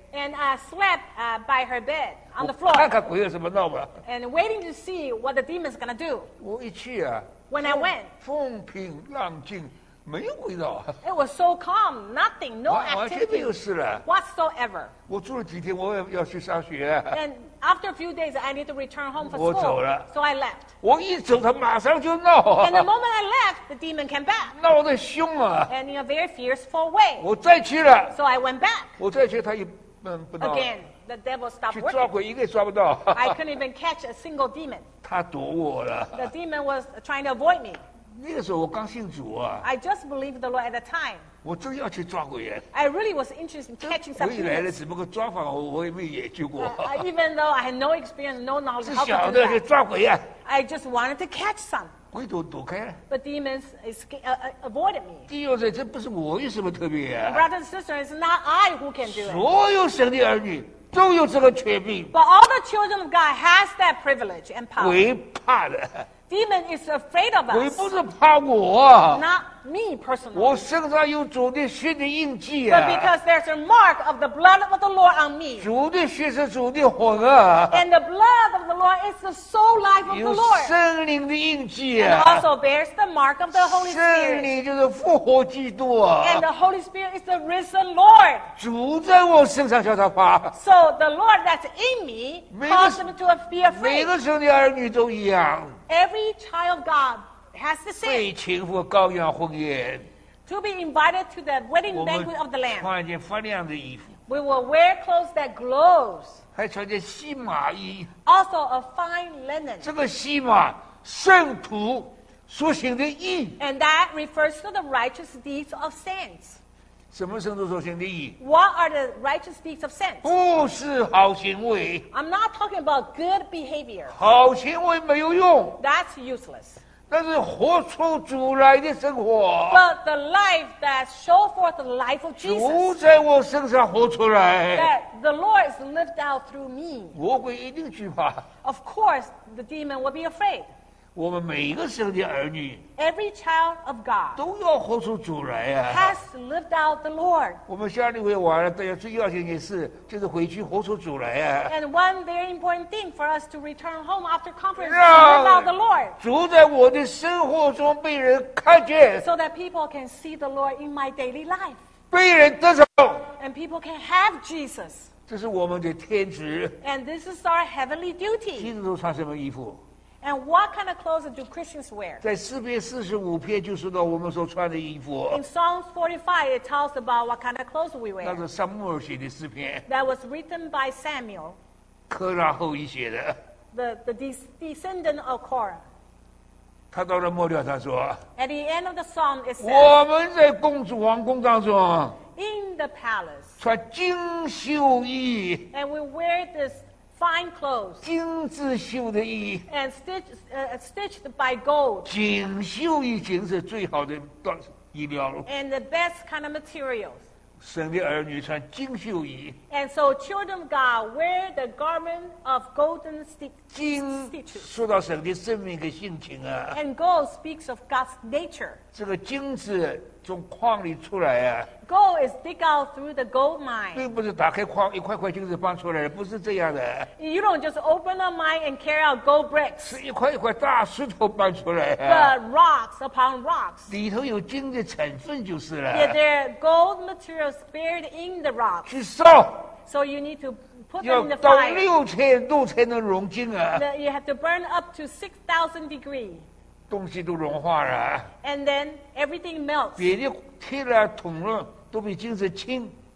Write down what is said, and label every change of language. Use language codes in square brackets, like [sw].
[en] And I slept by her bed on the floor. [zh] 看看鬼有什么闹吧。 [en] And waiting to see what the demon is gonna do. [zh] 我一去啊。 [en] When I went. [zh] 风平浪静。没有味道。 [en] It was so calm, nothing, no activity. [zh] 完全没有事了。 [en] Whatsoever. [zh] 我住了几天，我要去上学。 [en] And after a few days, I need to return home for school. [zh] 我走了。 [en] So I left. [zh] 我一走，他马上就闹。 [en] And the moment I left, the demon came back. [zh] 闹得凶啊。 [en] And in a very fearful way. [zh] 我再去了。 [en] So I went back. [zh] 我再去，他也不闹。 [en] Again, the devil stopped working. [zh] 去抓鬼，一个也抓不到。 [en] I couldn't even catch a single demon. [zh] 他躲我了。 [en] The demon was trying to avoid me. [zh] 那个时候我刚信主啊 [en] ！I just believed the Lord at the time. [zh] 我真要去抓鬼耶 [en] ！I really was interested in catching some. [zh] 鬼来了，只不过抓法我也没研究过。 [en] Even though I had no experience, no knowledge, [zh] 只晓得去抓鬼呀、啊。 [en] I just wanted to catch some. [zh] 鬼都躲开了。 [en] But demons avoided me. [zh] 弟兄们，这不是我有什么特别呀、啊、 [en] ？Brothers and sisters, it's not I who can do it. [zh] 所有神的儿女都有这个权柄。 [en] But all the children of God has that privilege and power. [zh] 鬼怕的。 [en] Demon is afraid of us. [zh] 鬼不是怕我、啊、 [en] Not me personally. [zh] 我身上有主的血的印记、啊、 [en] But because there's a mark of the blood of the Lord on me. [zh] 主的血是主的魂啊。 [en] And the blood of the Lord is the soul life of the Lord. [zh] 有圣灵的印记、啊、 [en] And also bears the mark of the Holy Spirit. [zh] 圣灵就是复活基督、啊、 [en] And the Holy Spirit is the risen Lord. [zh] 主在我身上叫他怕。 [en] So the Lord that's in me causes him to be afraid. [zh] 每个神的儿女都一样。 [en] Every child of God has the same. [zh] 被请赴羔羊婚宴。 [en] To be invited to the wedding banquet of the Lamb. [zh] 我们穿一件发亮的衣服。 [en] We will wear clothes that glows. [zh] 还穿件细麻衣。 [en] Also a fine linen. [zh] 这个细麻，圣徒所行的义。 [en] And that refers to the righteous deeds of saints. [zh] 什么圣徒所行的义？ [en] What are the righteous deeds of saints? [zh] 不是好行为。 [en] I'm not talking about good behavior. [zh] 好行为没有用。 [en] That's useless. [zh] 那是活出主来的生活。 [en] But the life that show forth the life of Jesus. [zh] 主在我身上活出来。 [en] That the Lord is lived out through me. [zh] 魔鬼一定惧怕。 [en] Of course, the demon will be afraid. [zh] 我们每一个神的儿女 [en] ，Every child of God， [zh] 都要活出主来啊 [en] ！Has lived out the Lord。 [zh] 我们下礼拜完了，大家最要紧的事就是回去活出主来啊 [en] ！And one very important thing for us to return home after conference to live out the Lord。 [zh] 主在我的生活中被人看见 [en] ，So that people can see the Lord in my daily life。 [zh] 被人得着 [en] ，And people can have Jesus。 [zh] 这是我们的天职 [en] ，And this is our heavenly duty。 [zh] 基督徒穿什么衣服？ [en] And what kind of clothes do Christians wear? [zh] 在诗篇四十五篇就说到我们所穿的衣服。 [en] In Psalms 45, it tells about what kind of clothes we wear. [zh] 那是撒母耳写的诗篇。 [en] That was written by Samuel. [zh] 科拉后裔写的。 [en] The descendant of Korah. [zh] 他到了末了，他说。 [en] At the end of the psalm, it says. [zh] 我们在公主王宫当中。 [en] In the palace. [zh] 穿精绣衣。 [en] And we wear this. Fine clothes, [zh] 精致绣的衣 [en] ，and stitched by gold. [zh] 锦绣衣锦是最好的衣料了 [en] ，and the best kind of materials. [zh] 神的儿女穿精绣衣 [en] ，and so children of God wear the garment of golden stitches. [zh] 金说到神的生命跟性情啊 [en] ，and gold speaks of God's nature. [zh] 这个金子从矿里出来啊。 [en] Gold is dig out through the gold mine. [zh] 并不是打开矿一块块金子放出来的，不是这样的。 [en] You don't just open a mine and carry out gold bricks. [zh] 是一块一块大石头放出来的。 [en] But rocks upon rocks. [zh] 里头有金的成分就是了。 [en] Yeah, there are gold materials buried in the rocks. [zh] 去烧。 [en] So you need to put them in the fire. [zh] 要到6000度才能熔金啊。 [en] You have to burn up to 6000 degrees. [zh] 东西都融化了 [en] ，and then everything melts。 [zh] 别的铁了、铜了都比金子轻